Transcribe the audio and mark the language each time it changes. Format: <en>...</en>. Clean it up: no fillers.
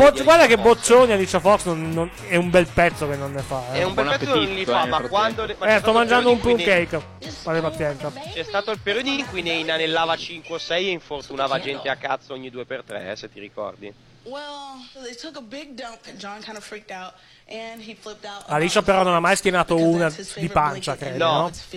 <it>Ma guarda che boccioni Alicia Fox non, è un bel pezzo che non ne fa. È un bel pezzo che non li fa, ma quando... Sto mangiando un plum cake. Fate pazienza. C'è stato il periodo in cui ne inanellava 5 o 6 e infortunava gente a cazzo ogni 2x3, se ti ricordi.</it> <en>Well, they took a big dump and John kind of freaked out and he flipped out.</en> <it>Alicia però non ha mai schienato una di pancia, credo, no?</it>